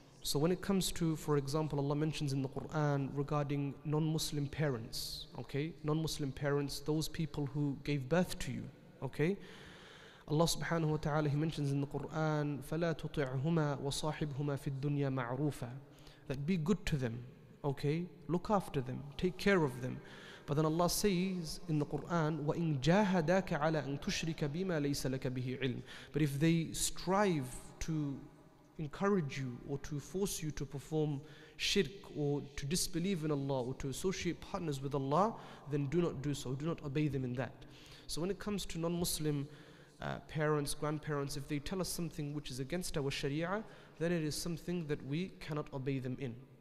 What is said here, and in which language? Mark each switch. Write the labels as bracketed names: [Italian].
[English] So when it comes to, for example, Allah mentions in the Quran regarding non-Muslim parents, okay? Non-Muslim parents, those people who gave birth to you, okay? Allah subhanahu wa ta'ala, He mentions in the Quran, [Arabic] فَلَا تُطِعْهُمَا وَصَاحِبْهُمَا فِي الدُّنْيَا مَعْرُوفًا. [English] That be good to them, okay? Look after them, take care of them. But then Allah says in the Quran, [Arabic] وَإِنْ جَاهَدَاكَ عَلَىٰ أَنْ تُشْرِكَ بِمَا لَيْسَ لَكَ بِهِ عِلْمٍ. [English] But if they strive to encourage you or to force you to perform shirk or to disbelieve in Allah or to associate partners with Allah, then do not do so. Do not obey them in that. So when it comes to non-Muslim parents, grandparents, if they tell us something which is against our Sharia, then it is something that we cannot obey them in.